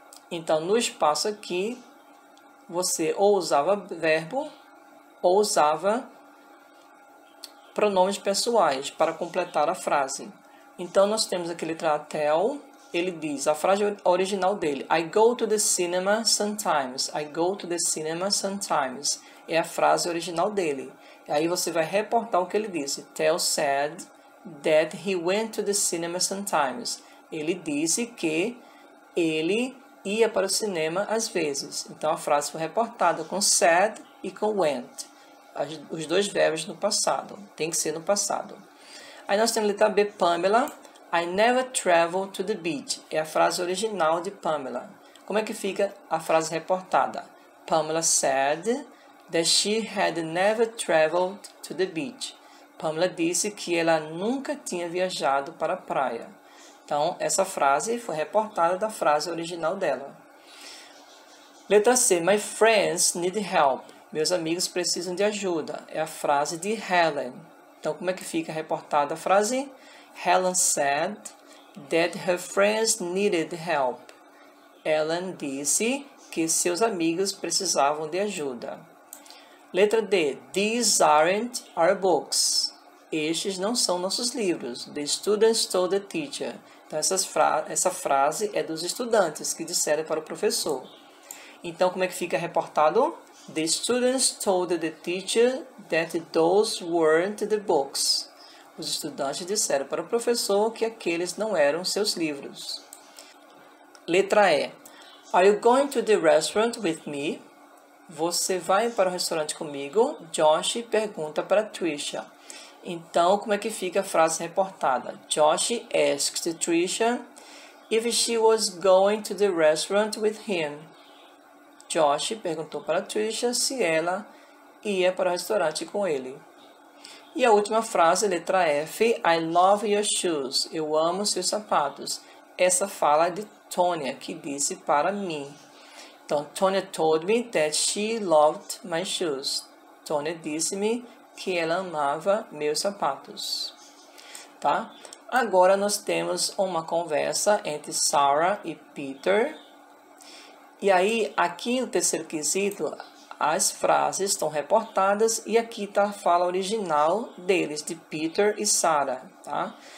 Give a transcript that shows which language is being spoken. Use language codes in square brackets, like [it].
[pt] Então, no espaço aqui, você ou usava verbo ou usava pronomes pessoais para completar a frase. Então, nós temos aqui a letra tell. Ele diz, a frase original dele, [en] I go to the cinema sometimes. I go to the cinema sometimes. [pt] É a frase original dele. E aí você vai reportar o que ele disse. [en] Tell said that he went to the cinema sometimes. [pt] Ele disse que ele ia para o cinema às vezes. Então, a frase foi reportada com said e com went. Os dois verbos no passado. Tem que ser no passado. Aí nós temos a letra B, Pamela. [en] I never travel to the beach. [pt] É a frase original de Pamela. Como é que fica a frase reportada? [en] Pamela said that she had never traveled to the beach. [pt] Pamela disse que ela nunca tinha viajado para a praia. Então, essa frase foi reportada da frase original dela. Letra C. [en] My friends need help. [pt] Meus amigos precisam de ajuda. É a frase de Helen. Então, como é que fica reportada a frase? [en] Helen said that her friends needed help. [pt] Helen disse que seus amigos precisavam de ajuda. Letra D. [en] These aren't our books. [pt] Estes não são nossos livros. [en] The students told the teacher. [pt] Então, essa frase é dos estudantes que disseram para o professor. Então, como é que fica reportado? [en] The students told the teacher that those weren't the books. [pt] Os estudantes disseram para o professor que aqueles não eram seus livros. Letra E. [en] Are you going to the restaurant with me? [pt] Você vai para o restaurante comigo? Josh pergunta para Trisha. Então, como é que fica a frase reportada? [en] Josh asked Trisha if she was going to the restaurant with him. [pt] Josh perguntou para Trisha se ela ia para o restaurante com ele. E a última frase, letra F, [en] I love your shoes. [pt] Eu amo seus sapatos. Essa fala é de Tonya, que disse para mim. [en] Então, Tonya told me that she loved my shoes. [pt] Tonya disse-me que ela amava meus sapatos. Tá? Agora nós temos uma conversa entre Sarah e Peter. E aí, aqui no terceiro quesito, as frases estão reportadas e aqui está a fala original deles, de Peter e Sarah, tá?